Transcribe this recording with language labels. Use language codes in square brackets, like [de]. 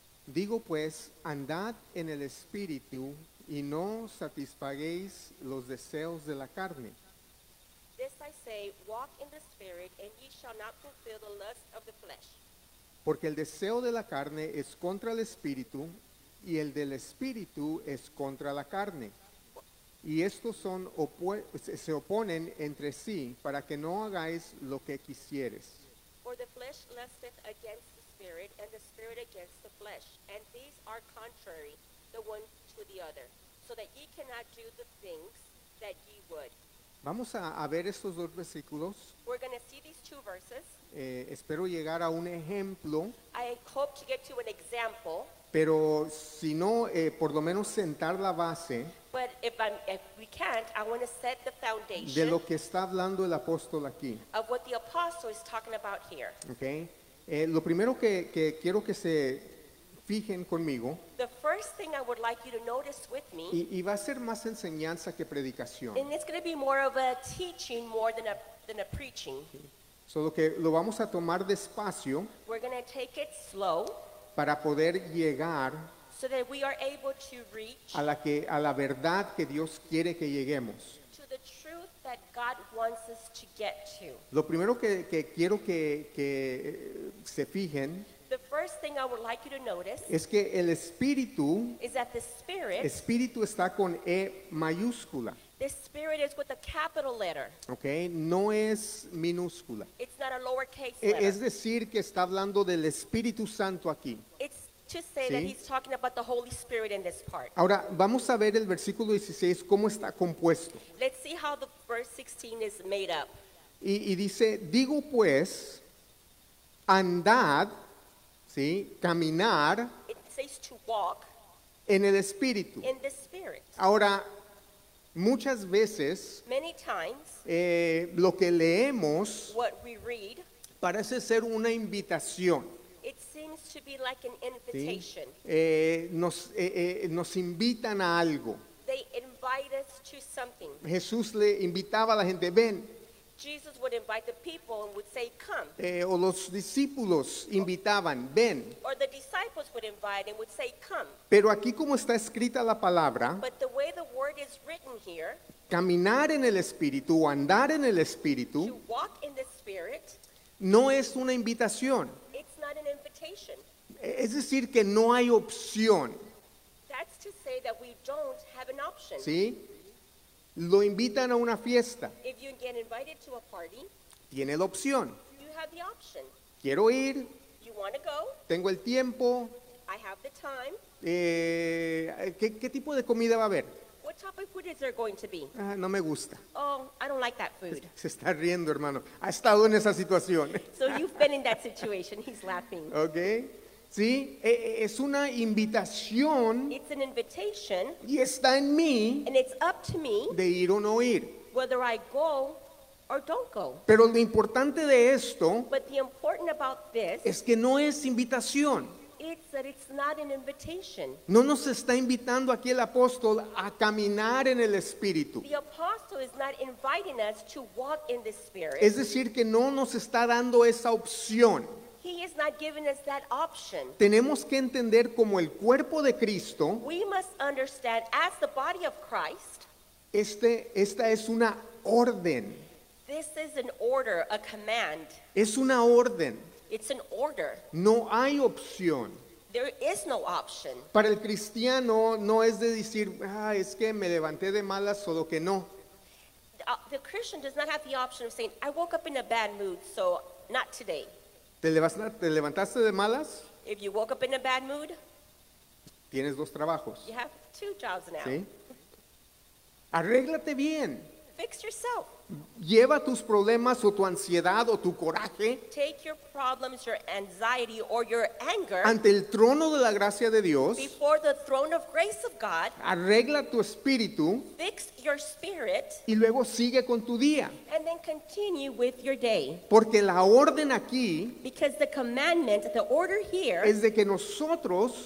[es] Digo pues, andad en el Espíritu y no satisfaguéis los deseos de la carne. [en] This I say, walk in the Spirit and ye shall not fulfill the lust of the flesh. [es] Porque el deseo de la carne es contra el Espíritu, y el del Espíritu es contra la carne. Y estos son se oponen entre sí, para que no hagáis lo que quisieres. [en] For the flesh lusteth against the Spirit, and the Spirit against the flesh. And these are contrary, the one to the other, so that ye cannot do the things that ye would. [es] Vamos a ver estos dos versículos. [en] We're going to see these two verses. [es] Espero llegar a un ejemplo. [en] I hope to get to an example. [es] Pero si no, por lo menos sentar la base de lo que está hablando el apóstol aquí. [en] Of what the apostle is talking about here. Okay. [es] Lo primero que quiero que se fijen conmigo, [en] the first thing I would like you to notice with me, [es] y va a ser más enseñanza que predicación. [en] And it's going to be more of a teaching more than a preaching. [es] Solo que lo vamos a tomar despacio. [en] We're going to take it slow. [es] Para poder llegar [en] so that we are able to reach [es] a la verdad que Dios quiere que lleguemos. [en] To the truth that God wants us to get to. [es] Lo primero que quiero que se fijen, [en] the first thing I would like you to notice, [es] es que el Espíritu, [en] is that the Spirit, [es] Espíritu está con E mayúscula. [en] The Spirit is with a capital letter. [es] Okay, no es minúscula. [en] It's not a lowercase letter. [es] Es decir, que está hablando del Espíritu Santo aquí. [en] It's to say, [es] ¿sí?, [en] that he's talking about the Holy Spirit in this part. [es] Ahora, vamos a ver el versículo 16, cómo está compuesto. [en] Let's see how the verse 16 is made up. [es] Y dice, digo pues, andad, ¿sí?, caminar. [en] It says to walk. [es] En el Espíritu. [en] In the Spirit. [es] Ahora, muchas veces, [en] many times, [es] lo que leemos, [en] what we read, [es] parece ser una invitación. [en] It seems to be like an invitation. [es] ¿Sí? Nos invitan a algo. [en] They invite us to something. [es] Jesús le invitaba a la gente, ven. [en] Jesus would invite the people and would say, come. [es] O los discípulos invitaban, ven. [en] Or the disciples would invite and would say, come. [es] Pero aquí como está escrita la palabra, [en] but the way the word is written here, [es] caminar en el Espíritu, andar en el Espíritu, [en] to walk in the Spirit, [es] no es una invitación. [en] It's not an invitation. [es] Es decir, que no hay opción. [en] That's to say that we don't have an option. [es] ¿Sí? Lo invitan a una fiesta. [en] If you get invited to a party, [es] tiene la opción. [en] You have the option. [es] Quiero ir. [en] You want to go. [es] Tengo el tiempo. [en] I have the time. [es] ¿Qué tipo de comida va a haber? [en] What type of food is there going to be? [es] No me gusta. [en] Oh, I don't like that food. [es] Se está riendo, hermano. Ha estado en esa situación. [en] So you've been in that situation. He's laughing. [es] Okay. Sí, es una invitación. [en] It's an invitation. [es] Y está en mí. [en] And it's up to me. [es] De ir o no ir. [en] Whether I go or don't go. [es] Pero lo importante de esto, [en] but the important about this, [es] es que no es invitación. [en] It's that it's not an invitation. [es] No nos está invitando aquí el apóstol a caminar en el Espíritu. [en] The apostle is not inviting us to walk in the Spirit. [es] Es decir, que no nos está dando esa opción. [en] He is not giving us that option. [es] Tenemos que entender como el cuerpo de Cristo. [en] We must understand as the body of Christ. [es] Esta es una orden. [en] This is an order, a command. [es] Es una orden. [en] It's an order. [es] No hay opción. [en] There is no option. [es] Para el cristiano no es de decir, es que me levanté de malas, solo que no. [en] The Christian does not have the option of saying, I woke up in a bad mood, so not today. [es] ¿Te levantaste de malas? [en] If you woke up in a bad mood, [es] tienes dos trabajos. [en] You have two jobs now. [es] ¿Sí? Arréglate bien. [en] Fix yourself. [es] Lleva tus problemas o tu ansiedad o tu coraje. [en] Take your problems, your anxiety or your anger. [es] Ante el trono de la gracia de Dios. [en] Before the throne of grace of God. [es] Arregla tu espíritu. [en] Fix your spirit. [es] Y luego sigue con tu día. [en] And then continue with your day. [es] Porque la orden aquí. [en] Because the commandment, the order here. [es] Es de que nosotros.